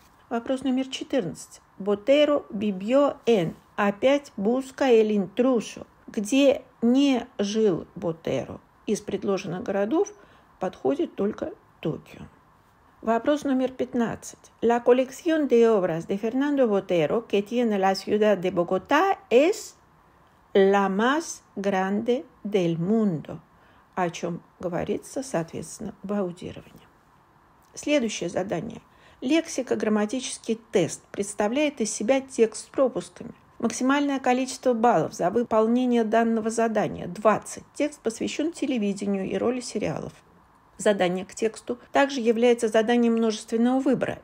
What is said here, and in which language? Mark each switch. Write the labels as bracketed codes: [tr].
[ru] Вопрос номер 14. [es] Botero vivió en, [ru] опять [es] busca el intruso, [ru] где не жил Ботеро. Из предложенных городов подходит только Токио. Вопрос номер 15. [es] La colección de obras de Fernando Botero que tiene la ciudad de Bogotá es la más grande del mundo. [ru] О чем говорится, соответственно, в аудировании. Следующее задание. Лексико-грамматический тест представляет из себя текст с пропусками. Максимальное количество баллов за выполнение данного задания – 20. Текст посвящен телевидению и роли сериалов. Задание к тексту также является заданием множественного выбора.